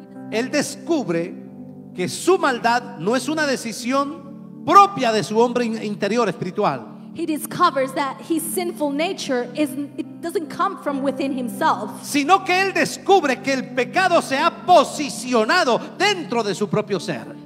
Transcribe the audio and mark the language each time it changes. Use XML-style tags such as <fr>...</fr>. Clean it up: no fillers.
<es>Él descubre que su maldad no es una decisión propia de su hombre interior espiritual.</es> <en>He discovers that his sinful nature it doesn't come from within himself.</en> <es>Sino que él descubre que el pecado se ha posicionado dentro de su propio ser.</es>